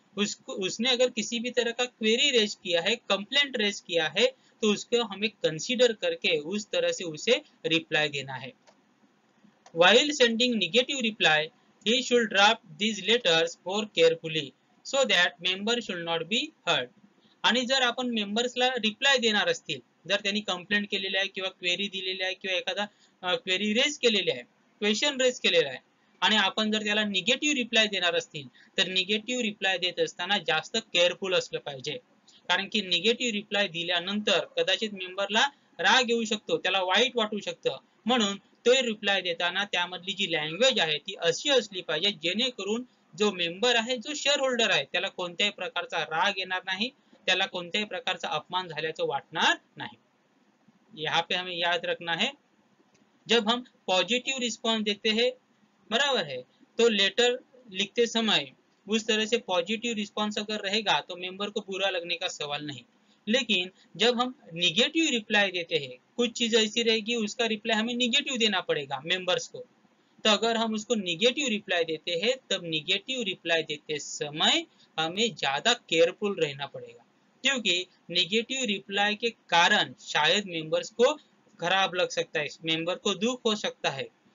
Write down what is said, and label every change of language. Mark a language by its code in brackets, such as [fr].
[hi] उसको, उसने अगर किसी भी तरह का क्वेरी रेज किया है, कंप्लेंट रेज किया है, तो उसको हमें कंसीडर करके उस तरह से उसे रिप्लाई देना है। [en] While sending negative reply he should draft these letters more carefully so that member should not be hurt. [mr] आणि जर आपण मेंबर्सला रिप्लाय देणार असतील, जर त्यांनी कंप्लेंट केलेली आहे किंवा क्वेरी दिलेली आहे किंवा एखादा क्वेरी रेज केलेली आहे, क्वेश्चन रेज केलेला आहे, आणि आपण जर त्याला निगेटिव्ह रिप्लाय देणार असतील, तर निगेटिव्ह रिप्लाय देत असताना जास्त केअरफुल असलं पाहिजे। कारण की निगेटिव्ह रिप्लाय दिल्यानंतर कदाचित मेंबरला राग येऊ शकतो, त्याला वाईट वाटू शकतं, म्हणून तो रिप्लाय देताना त्यामधली जी लँग्वेज आहे ती अशी असली पाहिजे जेणेकरून जो मेंबर आहे, जो शेअर होल्डर आहे, त्याला कोणत्याही प्रकारचा राग येणार नाही, त्याला कोणत्याही प्रकारचा अपमान झाल्याचं वाटणार नाही। [hi] यहाँ पे हमें याद रखना है, जब हम पॉजिटिव रिस्पॉन्स देते हैं, बराबर है, तो लेटर लिखते समय उस तरह से पॉजिटिव रिस्पॉन्स अगर रहेगा तो मेंबर को बुरा लगने का सवाल नहीं। लेकिन जब हम निगेटिव रिप्लाई देते हैं, कुछ चीज ऐसी रहेगी उसका रिप्लाई हमें निगेटिव देना पड़ेगा मेंबर्स को, तो अगर हम उसको निगेटिव रिप्लाई देते हैं तब निगेटिव रिप्लाई देते समय हमें ज्यादा केयरफुल रहना पड़ेगा, क्योंकि निगेटिव रिप्लाई के कारण शायद मेंबर्स को खराब लग सकता है, मेंबर को दुख हो सकता है।